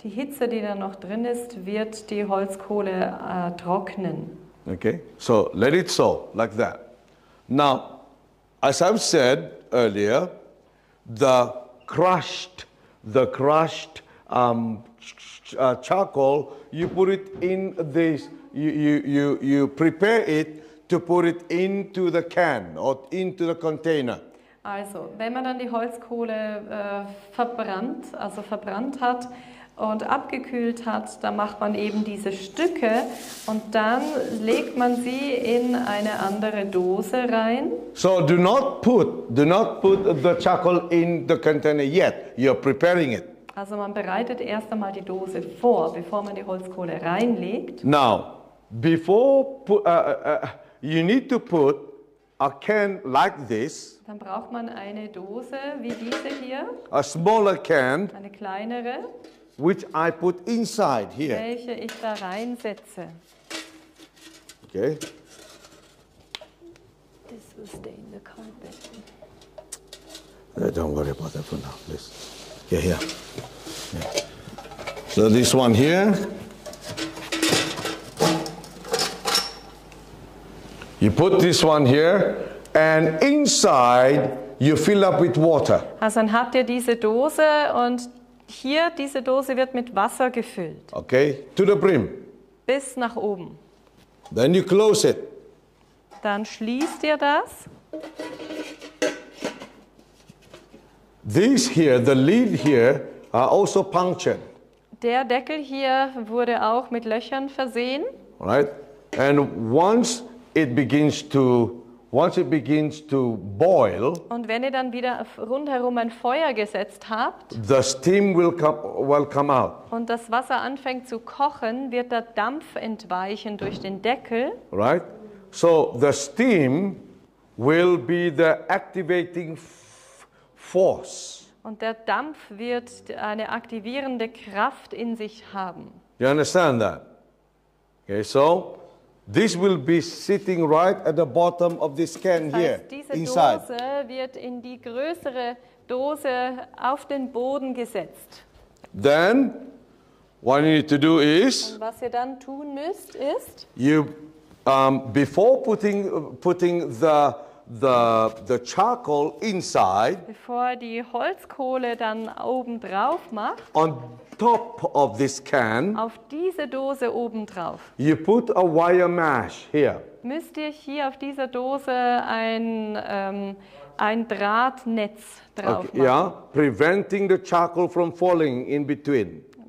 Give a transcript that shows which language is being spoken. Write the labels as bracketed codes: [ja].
[de] Die Hitze, die da noch drin ist, wird die Holzkohle trocknen. [en] Okay. So let it so, like that. Now, as I've said earlier, the crushed charcoal, you put it in this, you prepare it to put it into the can or into the container. [de] Also, wenn man dann die Holzkohle verbrannt hat und abgekühlt hat, dann macht man eben diese Stücke und dann legt man sie in eine andere Dose rein. [en] So do not put the charcoal in the container yet. You're preparing it. [de] Also man bereitet erst einmal die Dose vor, bevor man die Holzkohle reinlegt. [en] Now, before you need to put a can like this. [de] Dann braucht man eine Dose wie diese hier. [en] A smaller can. [de] Eine kleinere. [en] Which I put inside here. [de] Welche ich da reinsetze. [en] Okay. This will stay in the carpet. Don't worry about that for now, please. Okay, here. Yeah. So this one here. You put this one here, and inside you fill up with water. [de] Also dann habt ihr diese Dose und hier, diese Dose wird mit Wasser gefüllt. [en] Okay, to the brim. [de] Bis nach oben. [en] Then you close it. [de] Dann schließt ihr das. [en] This here, the lid here, are also punctured. [de] Der Deckel hier wurde auch mit Löchern versehen. [en] Right. And once it begins to boil. [de] Und wenn ihr dann wieder rundherum ein Feuer gesetzt habt, [en] the steam will come out. [de] Und das Wasser anfängt zu kochen, wird der Dampf entweichen durch den Deckel. [en] Right? So the steam will be the activating force. [de] Und der Dampf wird eine aktivierende Kraft in sich haben. [en] You understand that? Okay, so this will be sitting right at the bottom of this can here, inside. [de] Diese Dose wird in die größere Dose auf den Boden gesetzt. [en] Then, what you need to do is, [de] und was ihr dann tun müsst, ist, [en] you, before putting the charcoal inside, [de] bevor die Holzkohle dann oben drauf macht, [en] on top of this can, [de] auf diese Dose oben drauf, [en] you put a wire mesh here. [de] Müsst ihr hier auf dieser Dose ein Drahtnetz drauf machen. [en] Okay, yeah, preventing the charcoal from falling in between.